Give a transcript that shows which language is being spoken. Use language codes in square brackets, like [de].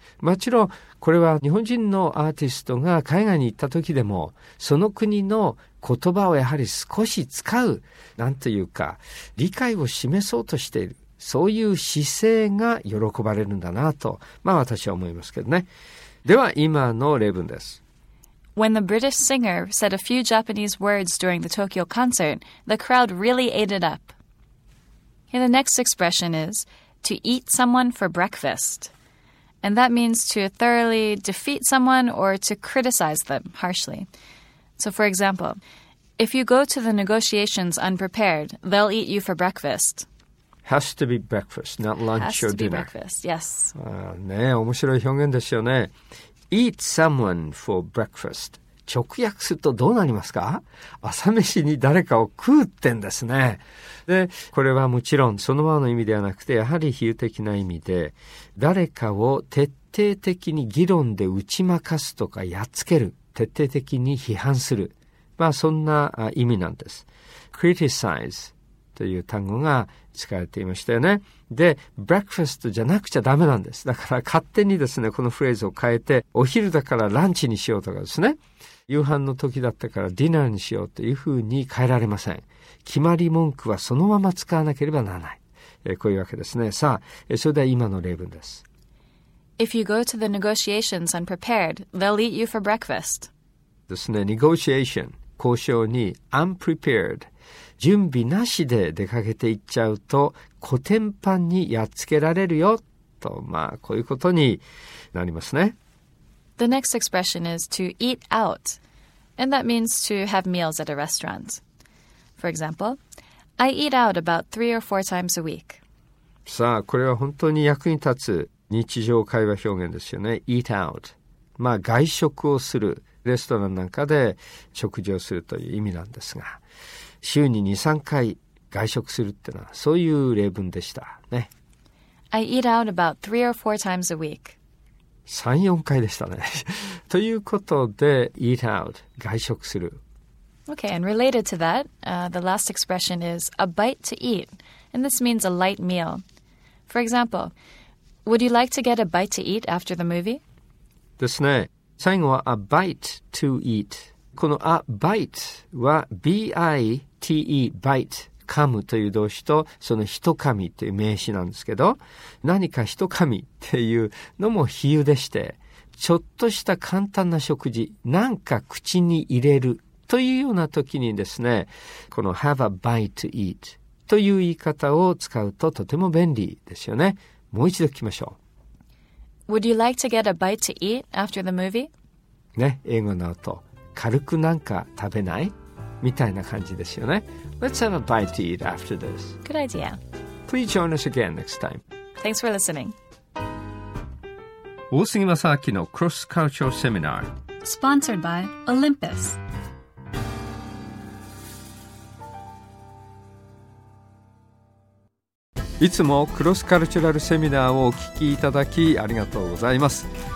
[ja] もちろんこれは日本人のアーティストが海外に行った時でもその国の言葉をやはり少し使う、なんというか理解を示そうとしている、そういう姿勢が喜ばれるんだなと、まあ私は思いますけどね。では今の例文です。 [en] When the British singer said a few Japanese words during the Tokyo concert, the crowd really ate it up. And the next expression is to eat someone for breakfast. And that means to thoroughly defeat someone or to criticize them harshly. So for example, if you go to the negotiations unprepared, they'll eat you for breakfast. Has to be breakfast, not lunch or dinner. Has to be breakfast, yes. [ja] ねえ、面白い表現ですよね。 [en] Eat someone for breakfast. [ja] 直訳するとどうなりますか？朝飯に誰かを食うってんですね。で、これはもちろんそのままの意味ではなくて、やはり比喩的な意味で、誰かを徹底的に議論で打ち負かすとかやっつける、徹底的に批判する。まあそんな意味なんです。criticize という単語が使われていましたよね。で、breakfast じゃなくちゃダメなんです。だから勝手にですね、このフレーズを変えて、お昼だからランチにしようとかですね、夕飯の時だったからディナーにしようというふうに変えられません。決まり文句はそのまま使わなければならない。こういうわけですね。さあ、それでは今の例文です。 [en] If you go to the negotiations unprepared, they'll eat you for breakfast. [ja] ですね、negotiation、交渉に unprepared、準備なしで出かけていっちゃうと、コテンパンにやっつけられるよ、と、まあ、こういうことになりますね。 [en] The next expression is to eat out, and that means to have meals at a restaurant. For example, I eat out about 3 or 4 times a week. [ja] さあ、これは本当に役に立つ日常会話表現ですよね。 [en] eat out。 [ja] まあ、外食をする、レストランなんかで食事をするという意味なんですが。週に 2、3 回外食するってのは、そういう例文でしたね。 [en] I eat out about 3 or 4 times a week. [ja] 3、4 回でしたね。ということで、 [en] eat out、 [ja] 外食する。 [en] Okay, and related to that,、the last expression is a bite to eat, and this means a light meal. For example, would you like to get a bite to eat after the movie? [ja] ですね。最後は [en] a bite to eat。 [ja] この a bite は b-i-t-e bite 噛むという動詞とその一噛みという名詞なんですけど、何か一噛みっていうのも比喩でして、ちょっとした簡単な食事なんか口に入れるというような時にですね、この [en] have a bite to eat [ja] という言い方を使うととても便利ですよね。もう一度聞きましょう。 [en] Would you like to get a bite to eat after the movie? [ja] ね、英語の後軽くなんか食べないみたいな感じですよね。 [en] Let's have a bite to eat after this. Good idea. Please join us again next time. Thanks for listening. [ja] 大杉正明のクロスカルチャーセミナ [en] ー Sponsored by Olympus. [ja] いつもクロスカルチャルセミナーをお聞きいただきありがとうございます。